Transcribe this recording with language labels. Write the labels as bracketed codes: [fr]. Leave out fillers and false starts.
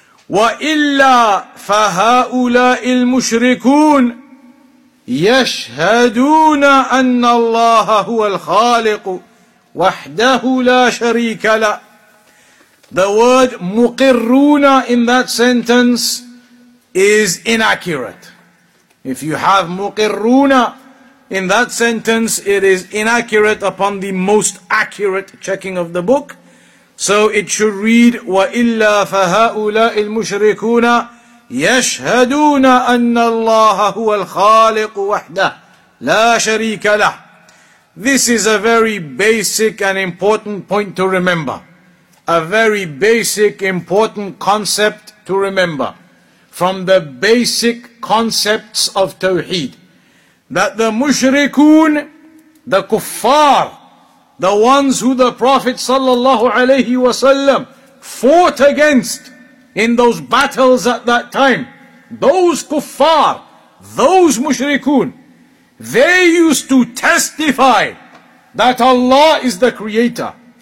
[ar] وَإِلَّا فَهَؤُلَاءِ الْمُشْرِكُونَ يَشْهَدُونَ أَنَّ اللَّهَ هُوَ الْخَالِقُ وَحْدَهُ لَا شَرِيكَ لَا. [en] The word مُقِرُّونَ in that sentence is inaccurate. If you have مُقِرُّونَ in that sentence, it is inaccurate upon the most accurate checking of the book. [ar] So it should read, وَإِلَّا فَهَؤُلَاءِ الْمُشْرِكُونَ يَشْهَدُونَ أَنَّ اللَّهَ هُوَ الْخَالِقُ وَحْدَهُ لَا شَرِيكَ لَهُ. [en] This is a very basic and important point to remember. A very basic, important concept to remember. From the basic concepts of Tawheed. That the mushrikun, the kuffar, the ones who the Prophet sallallahu alaihi wasallam fought against in those battles at that time, those kuffar, those mushrikun, they used to testify that Allah is the creator.